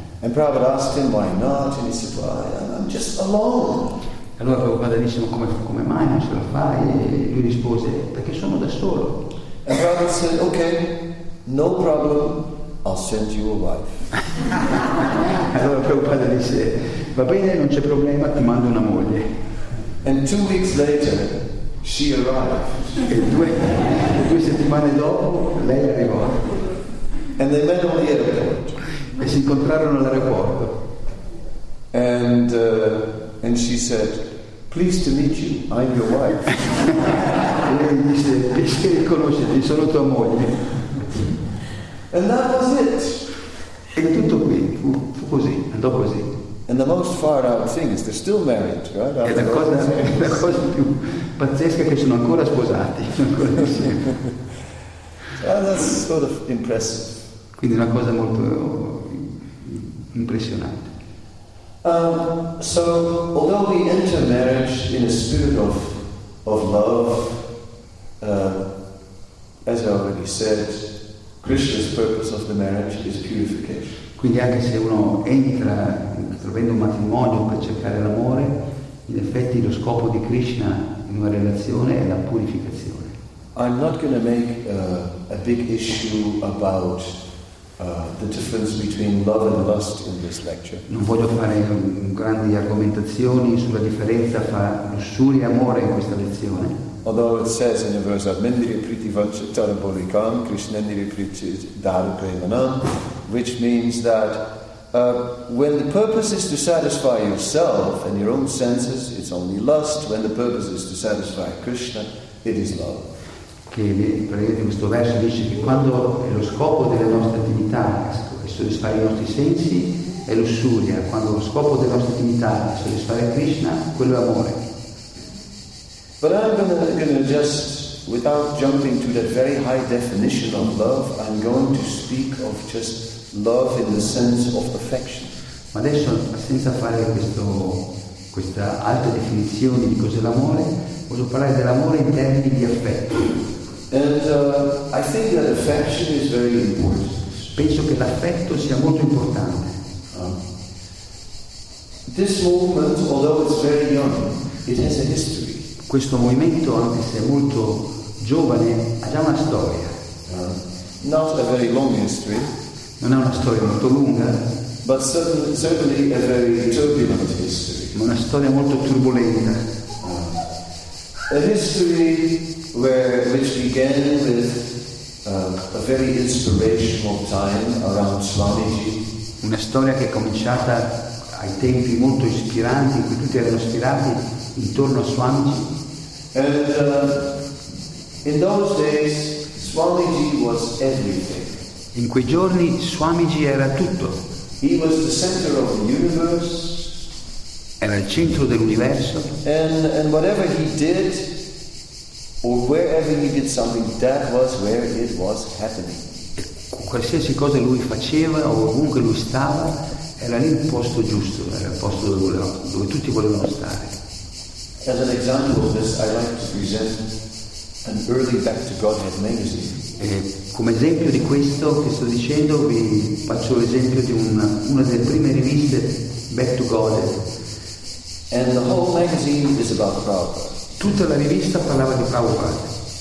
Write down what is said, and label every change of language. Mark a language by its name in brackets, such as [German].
[English] And Prabhupada asked him why not, and he said, well, I'm just alone. [Italian] Allora Prabhupada disse, ma come mai non ce la fai? E lui rispose, perché sono da solo. [English] And Prabhupada said, okay, no problem, I'll send you a wife. [Italian] Allora Prabhupada disse, va bene, non c'è problema, ti mando una moglie. [English] And 2 weeks later, she arrived. [Italian] E due settimane dopo lei arrivò. [English] And they met on the airport. [Italian] E si incontrarono all'aeroporto. [English] And she said, pleased to meet you, I'm your wife. [Italian] E lei disse, piacere di conoscerti, sono tua moglie. [English] And that was it. [Italian] E tutto qui, fu così, andò così. [English] And the most far out thing is they're still married, right? [Italian] La cosa più pazzesca è che sono ancora sposati, sono ancora insieme. [English] Well, that's sort of impressive. [Italian] Quindi è una cosa molto impressionante. [English] So although we enter marriage in a spirit of love, as I already said, Krishna's purpose of the marriage is purification. [Italian] Quindi anche se uno entra trovando un matrimonio per cercare l'amore, in effetti lo scopo di Krishna in una relazione è la purificazione. [English] I'm not going to make a big issue about the difference between love and lust in this lecture. [Italian] Non voglio fare grandi argomentazioni sulla differenza fra lussuria e amore in questa lezione. [English] Although it says in the verse of Mendri Priti Vanchatara Bolikam, Krishnendri Priti Dara Premanam, which means that when the purpose is to satisfy yourself and your own senses, it's only lust. When the purpose is to satisfy Krishna, it is love. [Italian] Che praticamente questo verso dice che quando è lo scopo delle nostre attività è soddisfare i nostri sensi, è lussuria. Quando lo scopo delle nostre attività è soddisfare Krishna, quello è amore. [English] But I'm going to just, without jumping to that very high definition of love, I'm going to speak of just love in the sense of affection. [Italian] Ma adesso, senza fare questa alta definizione di cos'è l'amore, voglio parlare dell'amore in termini di affetto. [English] And I think that affection is very important. [Italian] Penso che l'affetto sia molto importante. [English] This movement, although it's very young, it has a history. [Italian] Questo movimento, anche se è molto giovane, ha già una storia. [English] Not a very long history. [Italian] Non è una storia molto lunga. [English] But certainly a very turbulent history. [Italian] Ma una storia molto turbolenta. [English] A history which began with a very inspirational time around Swamiji. [Italian] Una storia che è cominciata ai tempi molto ispiranti, in cui tutti erano ispirati intorno a Swamiji. [English] And in those days, Swamiji was everything. [Italian] In quei giorni, Swamiji era tutto. [English] He was the center of the universe. [Italian] Era il centro dell'universo. [English] And whatever he did, or wherever he did something, that was where it was happening. [Italian] Qualsiasi cosa lui faceva o ovunque lui stava, era lì il posto giusto, era il posto dove tutti volevano stare. [English] As an example of this, I like to present an early Back to Godhead magazine. [Italian] E come esempio di questo che sto dicendo, vi faccio l'esempio di una delle prime riviste Back to Godhead. [English] And the whole magazine is about Prabhupada. [Italian] Tutta la rivista parlava di Prabhupada.